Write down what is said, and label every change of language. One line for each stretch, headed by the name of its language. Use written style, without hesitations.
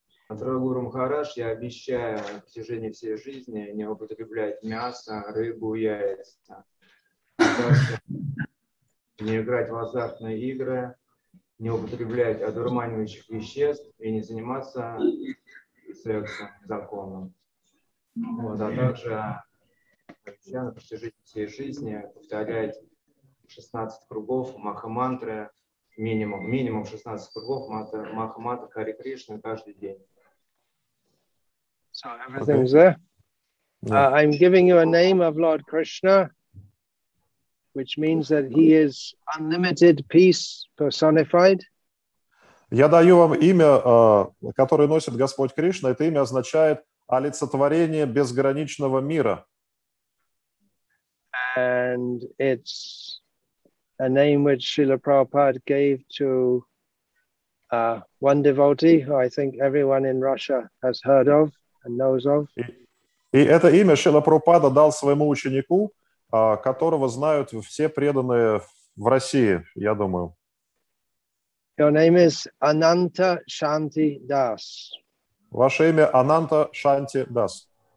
Russian: Дорогой Гуру Махарадж, я обещаю в течение всей жизни не употреблять мясо, рыбу, яйца, не играть в азартные игры, не употреблять одурманивающих веществ и не заниматься сексом, законом. Вот, а также обещаю в течение всей жизни повторять 16 кругов Маха-мантры, минимум 16 кругов Маха-мантры Хари Кришны каждый день.
English: So everything's okay. There. Yeah. I'm giving you a name of Lord Krishna, which means that he is unlimited peace personified.
Russian: Я даю вам имя, которое носит Господь Кришна. Это имя означает олицетворение безграничного мира.
English: And it's a name which Srila Prabhupada gave to one devotee, who I think everyone in Russia has heard of. And knows of.
Russian: И это имя Шрила Прабхупада дал своему ученику, которого знают все преданные в России, я думаю.
English: Your name is Ananta Shanti Das.
Russian: Ваше имя Ананта Шанти Дас.